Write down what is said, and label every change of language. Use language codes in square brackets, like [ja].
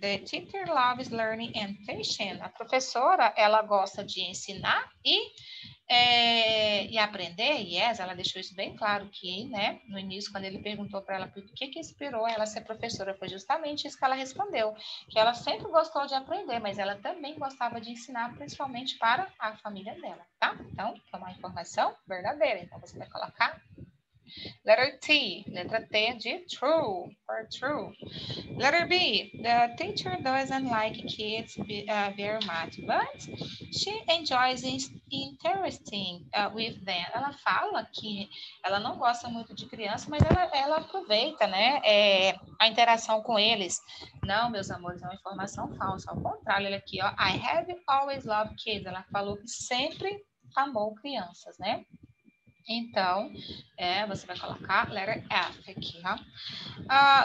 [en] The teacher loves learning and teaching. [pt] A professora, ela gosta de ensinar e aprender, yes, ela deixou isso bem claro que, né, no início, quando ele perguntou para ela por que que inspirou ela ser professora, foi justamente isso que ela respondeu, que ela sempre gostou de aprender, mas ela também gostava de ensinar, principalmente para a família dela, tá? Então, é uma informação verdadeira, então você vai colocar letter T, letra T de true, for true. [en] Letter B, the teacher doesn't like kids very much, but she enjoys interacting with them. [pt] Ela fala que ela não gosta muito de criança, mas ela aproveita, né, a interação com eles. Não, meus amores, é uma informação falsa. Ao contrário, olha aqui, ó, [en] I have always loved kids. [pt] Ela falou que sempre amou crianças, né? Então, você vai colocar letter F aqui, ó.